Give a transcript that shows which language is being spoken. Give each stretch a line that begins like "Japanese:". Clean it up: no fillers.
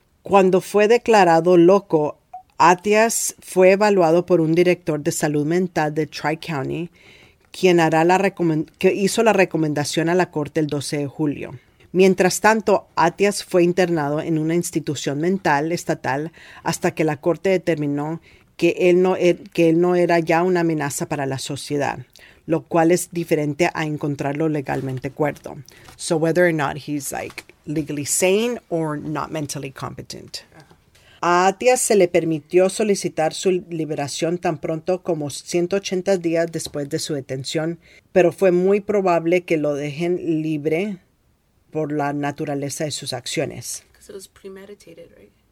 Spanish: Cuando fue declarado loco, Attias fue evaluado por un director de salud mental de Tri-County, que hizo la recomendación a la corte el 12 de julio. Mientras tanto, Attias fue internado en una institución mental estatal hasta que la corte determinó que él no era ya una amenaza para la sociedad, lo cual es diferente a encontrarlo legalmente cuerdo.
English: So whether or not he's like legally sane or not mentally competent.
Spanish: A Atia se le permitió solicitar su liberación tan pronto como 180 días después de su detención, pero fue muy probable que lo dejen libre por la naturaleza de sus acciones.
English: Because it was premeditated, right?